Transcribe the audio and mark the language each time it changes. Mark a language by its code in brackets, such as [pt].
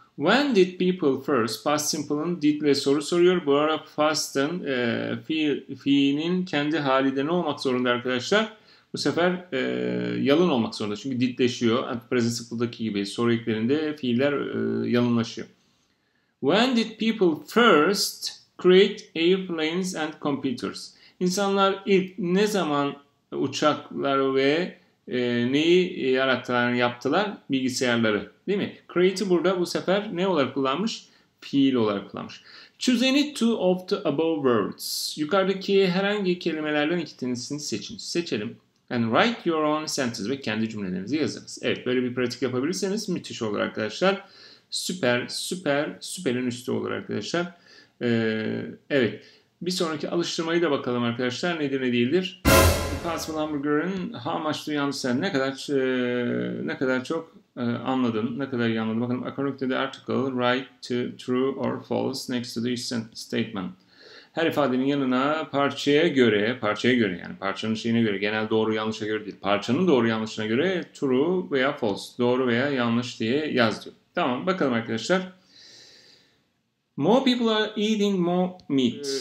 [en] When did people first, [tr] past simple'ın did ile soru soruyor. Bu arada past'ın fiilinin kendi halinde ne olmak zorunda arkadaşlar? Bu sefer yalın olmak zorunda. Çünkü didleşiyor. At present simple'daki gibi soru eklerinde fiiller yalınlaşıyor. [en] When did people first create airplanes and computers? [tr] İnsanlar ilk ne zaman uçaklar ve neyi yarattılar, yaptılar? Bilgisayarları. Değil mi? Create'i burada bu sefer ne olarak kullanmış? Fiil olarak kullanmış. [en] Choose any two of the above words. [tr] Yukarıdaki herhangi kelimelerden iki tanesini seçin. Seçelim. [en] And write your own sentence [tr] ve kendi cümlelerinizi yazınız. Evet, böyle bir pratik yapabilirseniz müthiş olur arkadaşlar. Süper, süper, süperin üstü olur arkadaşlar. Evet. Bir sonraki alıştırmayı da bakalım arkadaşlar. Nedir, ne değildir? Impossible Hamburger'ın [en] how much do you understand? [tr] Ne kadar çok anladın, ne kadar iyi anladın. [en] Bakalım, according to the article, write to true or false next to the statement. [tr] Her ifadenin yanına parçaya göre yani parçanın şeyine göre, genel doğru yanlışa göre değil, parçanın doğru yanlışına göre true veya false, doğru veya yanlış diye yaz diyor. Tamam, bakalım arkadaşlar. [en] More people are eating more meat.